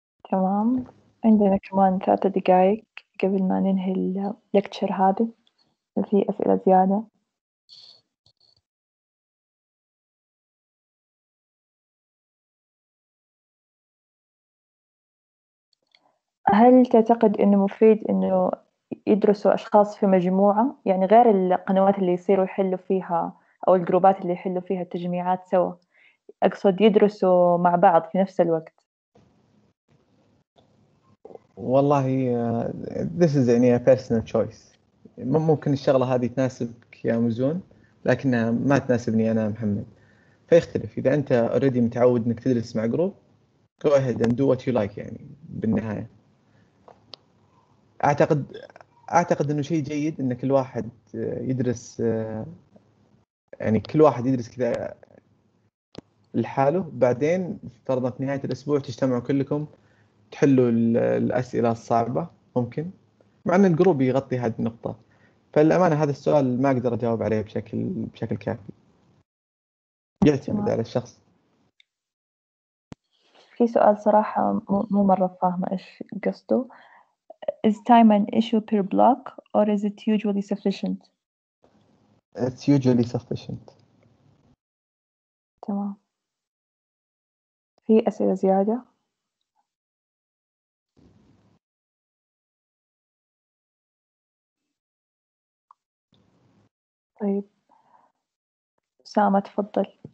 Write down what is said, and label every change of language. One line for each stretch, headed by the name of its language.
Arabic: تمام، عندنا كمان 3 دقائق قبل ما ننهي الليكتشر هذه، في أسئلة زيادة؟ هل تعتقد أنه مفيد أنه يدرسوا أشخاص في مجموعة، يعني غير القنوات اللي يصيروا يحلوا فيها أو الجروبات اللي يحلوا فيها التجميعات سوا، أقصد يدرسوا مع بعض في نفس الوقت؟ والله
English: this is
Arabic: يعني
English: a personal choice.
Arabic: ممكن الشغلة هذه تناسبك يا مزون لكنها ما تناسبني أنا محمد، فيختلف. إذا أنت
English: already
Arabic: متعود أنك تدرس مع جروب
English: go ahead and do what you like.
Arabic: يعني بالنهاية أعتقد إنه شيء جيد إن كل واحد يدرس، يعني كل واحد يدرس كذا لحاله، بعدين فرضا في نهاية الأسبوع تجتمعوا كلكم تحلوا الأسئلة الصعبة ممكن، مع إن الجروب يغطي هذه النقطة. فالأمانة هذا السؤال ما أقدر أجاوب عليه بشكل كافي. يعتمد على الشخص. في سؤال صراحة مو مرة فاهمة إيش قصده.
English: Is time an issue per block or is it usually sufficient? It's usually sufficient.
Arabic: تمام. في أسئلة زيادة؟ طيب سامة تفضل.